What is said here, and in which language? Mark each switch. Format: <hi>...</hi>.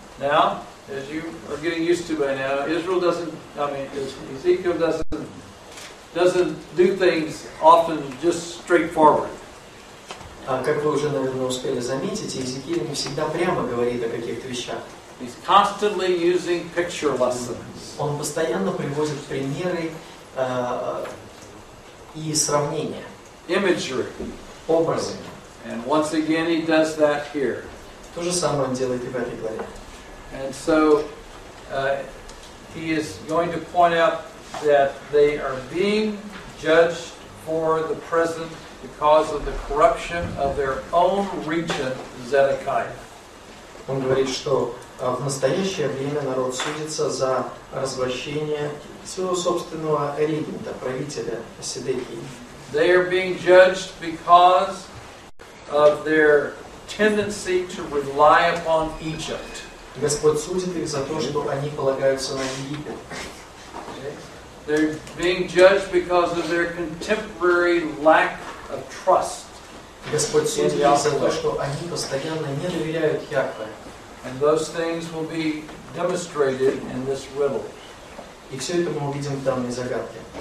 <en>Now, as you are getting used to by now, Israel doesn't, I mean, Ezekiel doesn't do things often just straightforward.</en> <ru>Как вы уже, наверное, успели заметить, Иезекииль не всегда прямо говорит о каких-то вещах.</ru> <en>He's constantly using picture lessons.</en> <ru>Он постоянно приводит примеры и сравнения.</ru> <en>Imagery.</en> <ru>Образы.</ru> <en>And once again he does that here.</en> <ru>То же самое он делает и в этой главе.</ru> <en>And so he is going to point out that they are being judged for the present because of the corruption of their own region, Zedekiah.</en> <ru>Он говорит, что в настоящее время народ судится за развращение своего собственного регента, правителя Сидекии.</ru> <en>They are being judged because of their tendency to rely upon Egypt.</en> <ru>Господь судит их за то, что они полагаются на Египет.</ru> <en>They're being judged because of their contemporary lack of trust.</en> <ru>Господь судит их за то, что они постоянно не доверяют Яхве.</ru> <en>And those things will be demonstrated in this riddle.</en> <ru>И все это мы увидим в данной загадке.</ru>